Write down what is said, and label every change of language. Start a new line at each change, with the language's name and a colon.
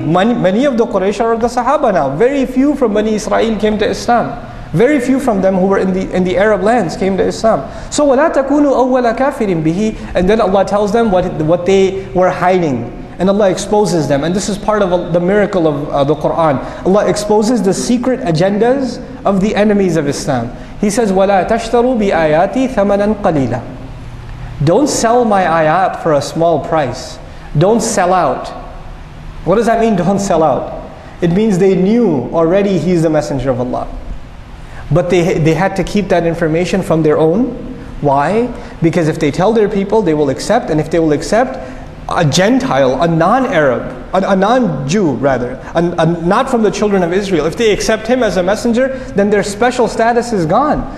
English: Many of the Quraysh are of the Sahaba now. Very few from Bani Israel came to Islam. Very few from them who were in the Arab lands came to Islam.
Arabic: So وَلَا تَكُونُوا أَوَّلَ كَافِرٍ بِهِ.
English: And then Allah tells them what they were hiding. And Allah exposes them. And this is part of the miracle of the Qur'an. Allah exposes the secret agendas of the enemies of Islam. He says
Arabic: وَلَا تَشْتَرُوا بِآيَاتِ ثَمَنًا قَلِيلًا.
English: Don't sell my ayat for a small price. Don't sell out. What does that mean, don't sell out? It means they knew already he's the messenger of Allah. But they had to keep that information from their own. Why? Because if they tell their people, they will accept. And if they will accept, a Gentile, a non-Arab, a non-Jew rather, not from the children of Israel, if they accept him as a messenger, then their special status is gone.